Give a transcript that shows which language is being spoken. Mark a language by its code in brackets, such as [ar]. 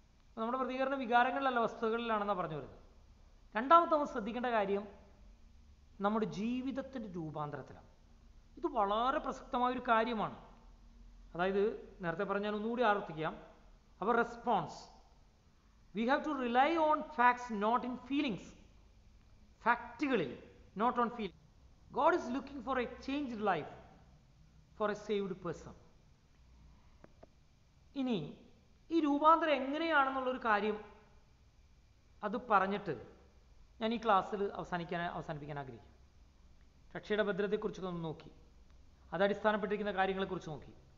[ml] അപ്പോൾ നമ്മുടെ പ്രതികരണം വികാരങ്ങളിലുള്ള വസ്തുതകളിലാണെന്നാണ് പറഞ്ഞു വരുന്നത്. രണ്ടാമത്തെ നമ്മൾ ശ്രദ്ധിക്കേണ്ട കാര്യം നമ്മുടെ ജീവിതത്തിൻ്റെ രൂപാന്തരത്തിലാണ്. ഇത് വളരെ പ്രസക്തമായ ഒരു കാര്യമാണ്. അതായത് നേരത്തെ പറഞ്ഞാൽ ഒന്നുകൂടി ആവർത്തിക്കാം, അപ്പോൾ response, [en] We have to rely on facts, not in feelings. Factually, not on feelings. God is looking for a changed life for a saved person. [ml] ഇനി ഈ രൂപാന്തരം എങ്ങനെയാണെന്നുള്ളൊരു കാര്യം അത് പറഞ്ഞിട്ട് ഞാൻ ഈ ക്ലാസ്സിൽ അവസാനിപ്പിക്കാൻ ആഗ്രഹിക്കും. രക്ഷയുടെ ഭദ്രതയെക്കുറിച്ച് ഒന്ന് നോക്കി, അത് അടിസ്ഥാനപ്പെട്ടിരിക്കുന്ന കാര്യങ്ങളെക്കുറിച്ച് നോക്കി.